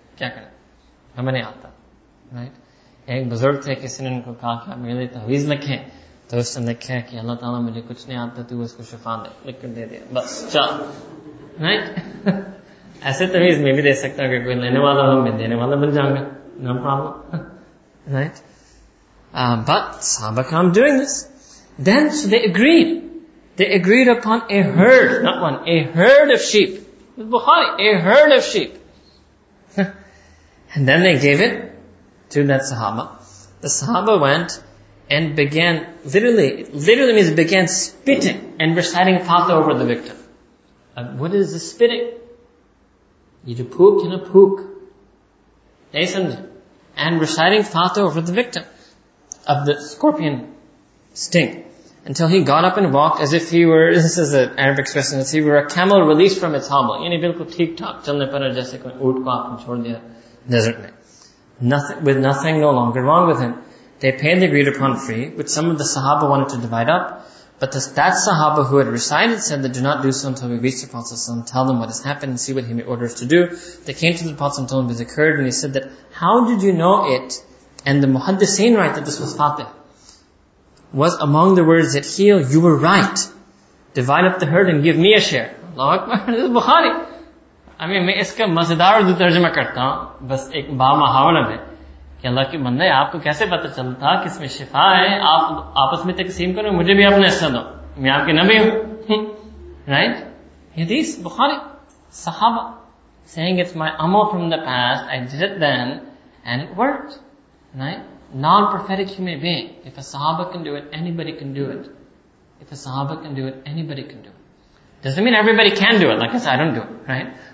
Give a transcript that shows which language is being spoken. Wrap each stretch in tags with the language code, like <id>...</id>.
<ur>کیا کریں؟ ہمیں نہیں آتا۔</ur> <en>Right?</en> <ur>ایک بزرگ تھے، کسی نے ان کو کہا کہ آپ میرے لیے تعویذ لکھیں۔ تو اس نے لکھا کہ اللہ تعالیٰ مجھے کچھ نہیں آتا، تو اس کو شفا دے۔ لکھ کر دے دیا۔ بس، چل۔</ur> <en>Right?</en> <ur>ایسے تعویذ میں بھی دے سکتا ہوں، اگر کوئی لینے والا ہو، میں دینے والا بن جاؤں گا۔</ur> <en>No problem. Right? But Sahaba Karam doing this. Then, so they agreed. They agreed upon a herd, not one, a herd of sheep. Bukhari, a herd of sheep. And then they gave it to that Sahaba. The Sahaba went and began, literally means began spitting and reciting fatwa over the victim. What is the spitting? You do pook in a pook. And reciting fatwa over the victim of the scorpion sting. Until he got up and walked as if he were, this is an Arabic expression, as if he were a camel released from its hobble.</en> <ur>یعنی بالکل ٹھیک ٹھاک، چلنے پر جیسے کوئی اونٹ کو آپ نے چھوڑ دیا desert میں۔</ur> <en>Nothing, with nothing no longer wrong with him. They paid the agreed upon fee, which some of the Sahaba wanted to divide up, but that Sahaba who had recited said that do not do so until we reach the Prophet ﷺ, tell them what has happened and see what he may order us to do. They came to the Prophet ﷺ and told him this occurred, and he said that, how did you know it? And the Muhaddisin write that this was fatih. Was among the words that heal, you were right. Divide up the herd and give me a share. Allahu Akbar, this is Bukhari. I mean,</en> <ur>میں اس کا مزے دار اردو ترجمہ کرتا ہوں، بس ایک با محاورہ میں۔ کہ اللہ کے بندہ ہے، آپ کو کیسے پتا چلتا تھا کہ اس میں شفا ہے، آپ آپس میں تقسیم کرو، مجھے بھی اپنا حصہ دو۔ میں آپ کے نبی ہوں۔</ur> <en>Right? Hadith Bukhari. Sahaba saying it's my amal from the past, I did it then, and it worked. Right? Non-prophetic human being. If a Sahaba can do it, anybody can do it. If a Sahaba can do it, anybody can do it. Doesn't mean everybody can do it. Like I said, I don't do it, right?</en>